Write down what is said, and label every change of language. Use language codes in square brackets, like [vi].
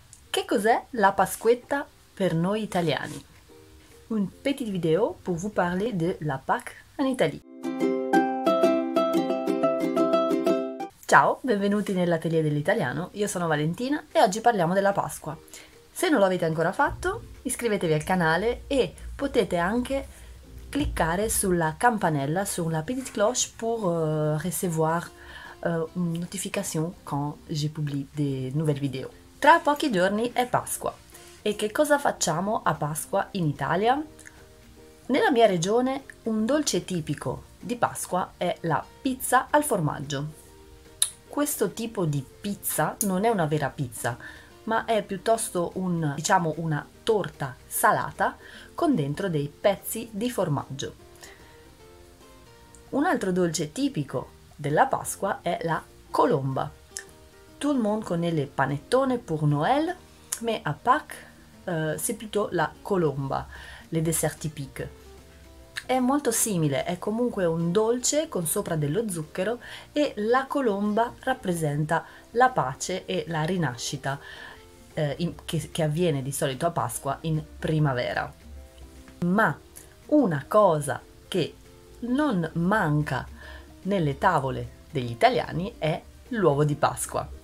[it] Che cos'è la Pasquetta per noi italiani? [fr] Un petit video pour vous parler de la Pâques en Italie. [it] Ciao, benvenuti nell'atelier dell'italiano. Io sono Valentina e oggi parliamo della Pasqua. Se non lo avete ancora fatto, iscrivetevi al canale e potete anche cliccare sulla campanella, sulla [fr] petite cloche, pour recevoir une notification quand je publie des nouvelles vidéos. [it] Tra pochi giorni è Pasqua. E che cosa facciamo a Pasqua in Italia? Nella mia regione un dolce tipico di Pasqua è la pizza al formaggio. Questo tipo di pizza non è una vera pizza, ma è piuttosto diciamo, una torta salata con dentro dei pezzi di formaggio. Un altro dolce tipico della Pasqua è la colomba. [fr] Tout le monde connaît le panettone pour Noël, mais à Pâques, c'est plutôt la colomba, le dessert typique. [it] È molto simile, è comunque un dolce con sopra dello zucchero e la colomba rappresenta la pace e la rinascita, che avviene di solito a Pasqua in primavera. Ma una cosa che non manca nelle tavole degli italiani è l'uovo di Pasqua.